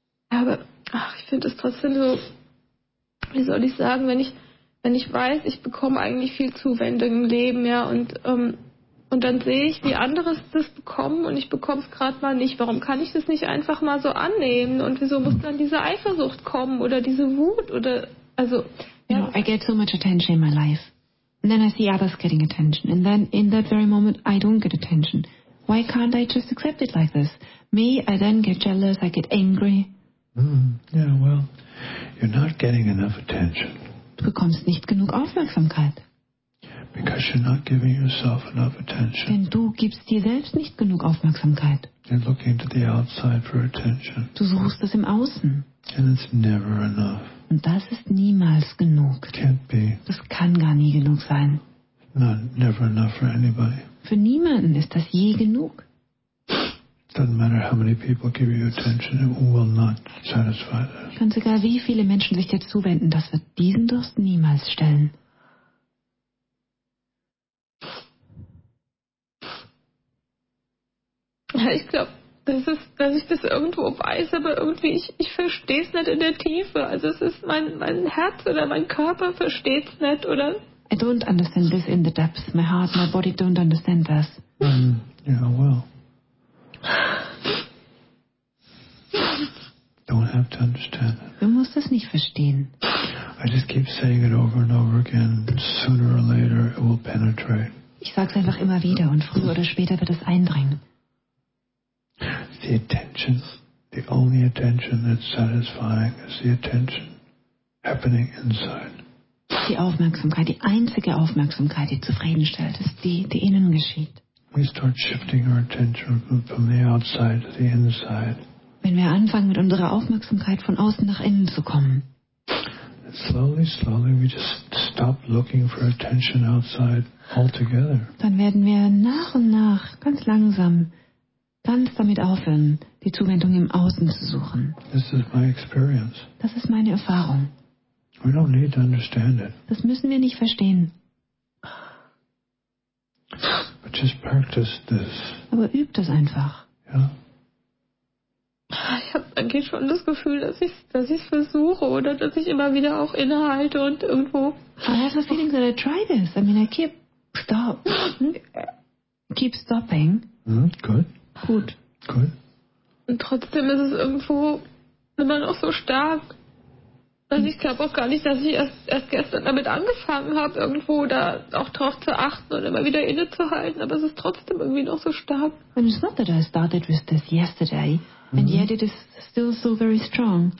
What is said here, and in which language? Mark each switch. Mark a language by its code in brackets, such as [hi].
[de] Aber ach, ich finde es trotzdem so, wie soll ich sagen, wenn ich weiß, ich bekomme eigentlich viel Zuwendung im Leben, ja, und dann sehe ich, wie andere das bekommen und ich bekomme es gerade mal nicht. Warum kann ich das nicht einfach mal so annehmen? Und wieso muss dann diese Eifersucht kommen oder diese Wut? Oder also, [en] you know, I get so much attention in my life. And then I see others getting attention. And then in that very moment, I don't get attention. Why can't I just accept it like this? Me, I then get jealous, I get angry. Mm, yeah, well, you're not getting enough attention. [de] Du bekommst nicht genug Aufmerksamkeit. [en] Because you're not giving yourself enough attention. [de] Denn du gibst dir selbst nicht genug Aufmerksamkeit. [en] You're looking to the outside for attention. [de] Du suchst es im Außen. [en] And it's never enough. [de] Und das ist niemals genug. [en] Can't be. [de] Das kann gar nie genug sein. [en] Not, never enough for anybody. [de] Für niemanden ist das je genug. [en] Doesn't matter how many people give you attention, it will not satisfy that. [de] Ganz egal, wie viele Menschen sich dir zuwenden, das wird diesen Durst niemals stellen. Ja, ich glaube, dass ich das irgendwo weiß, aber irgendwie ich verstehe es nicht in der Tiefe. Also es ist mein Herz oder mein Körper versteht es nicht, oder? [en] I don't understand this in the depths. My heart, my body don't understand this. Yeah, well. Don't have to understand. [de] Du musst es nicht verstehen. [en] I just keep saying it over and over again. Sooner or later it will penetrate. [de] Ich sag's einfach immer wieder und früher oder später wird es eindringen. [en] the attention. The only attention that's satisfying is the attention happening inside. [de] Die Aufmerksamkeit, die einzige Aufmerksamkeit, die zufriedenstellt, ist die, die innen geschieht. [en] We start shifting our attention from the outside to the inside. [de] Wenn wir anfangen, mit unserer Aufmerksamkeit von außen nach innen zu kommen. [en] Slowly, slowly, we just stop looking for attention outside altogether. [de] Dann werden wir nach und nach ganz langsam ganz damit aufhören, die Zuwendung im Außen zu suchen. [en] This is my experience. [de] Das ist meine Erfahrung. [en] We don't need to understand it. [de] Das müssen wir nicht verstehen. [en] But just practice this. [de] Aber übt es einfach. Ja. Ich habe eigentlich schon das Gefühl, dass ich es versuche oder dass ich immer wieder auch innehalte und irgendwo. [en] I have the feeling that I try this. I mean, I keep stop. Keep stopping. Good. [de] Gut. [en] Good. [de] Und trotzdem ist es irgendwo immer noch so stark. Also ich glaube auch gar nicht, dass ich erst gestern damit angefangen habe, irgendwo da auch drauf zu achten und immer wieder innezuhalten, aber es ist trotzdem irgendwie noch so stark. [en] And it's not that I started with this yesterday, and yet it is still so very strong.